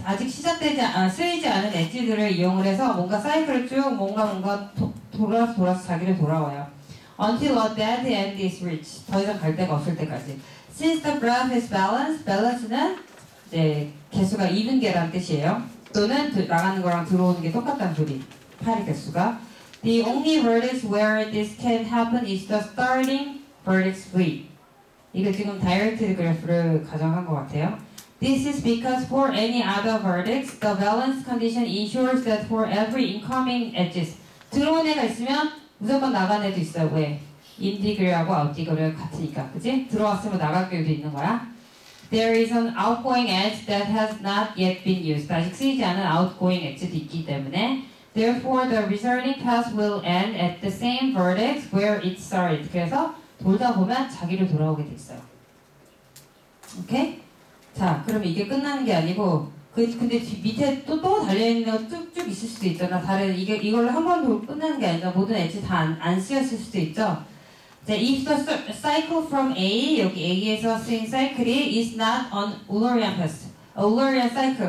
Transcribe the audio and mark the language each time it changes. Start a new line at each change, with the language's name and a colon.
Korean: 아직 시작되지, 쓰이지 않은 edges들을 이용을 해서 뭔가 사이클을 쭉 뭔가 돌아서 자기를 돌아와요.
English: Until a dead end is reached.
Korean: 더 이상 갈 데가 없을 때까지.
English: Since the graph is balanced, balance는
Korean: 이제 개수가 even 개란 뜻이에요. 또는 나가는 거랑 들어오는 게 똑같다는 소리. 파리 개수가.
English: The only vertex where this can happen is the starting vertex V.
Korean: 이거 지금 directed graph를 가정한 것 같아요.
English: This is because for any other vertex, the balance condition ensures that for every incoming edges,
Korean: 들어온 애가 있으면 무조건 나간 애도 있어요. 왜? 인디그리하고 아웃디그리 같으니까, 그지? 들어왔으면 나갈 게도 있는 거야.
English: There is an outgoing edge that has not yet been used.
Korean: 아직 쓰이지 않은 outgoing edge도 있기 때문에.
English: Therefore, the returning path will end at the same vertex where it started.
Korean: 그래서 돌다 보면 자기를 돌아오게 돼 있어요. 오케이? 자, 그럼 이게 끝나는 게 아니고, 근데 밑에 또 달려있는 거 쭉쭉 있을 수도 있잖아. 다른, 이게, 이걸로 한 번 끝나는 게 아니라 모든 edge 다 안 쓰였을 수도 있죠.
English: If the cycle from A,
Korean: 여기 A에서 쓰인 cycle이
English: is not an Eulerian path. Eulerian cycle.